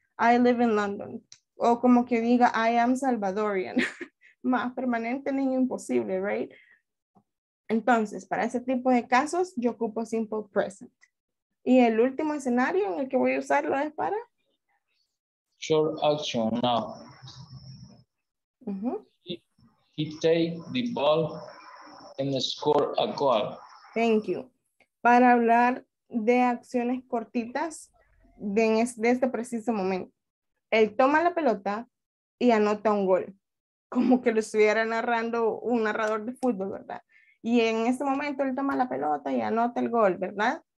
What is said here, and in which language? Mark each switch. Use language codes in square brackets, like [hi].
[en] I live in London. [es] O como que diga, [en] I am Salvadorian. [es] Más permanente ni imposible, [en] right? [es] Entonces, para ese tipo de casos, yo ocupo simple present. Y el último escenario en el que voy a usarlo es para... [en] Short action now. He take the ball and score a goal. Thank you. [es] Para hablar de acciones cortitas de este preciso momento. Él toma la pelota y anota un gol. Como que lo estuviera narrando un narrador de fútbol, ¿verdad? Y en ese momento él toma la pelota y anota el gol, ¿verdad?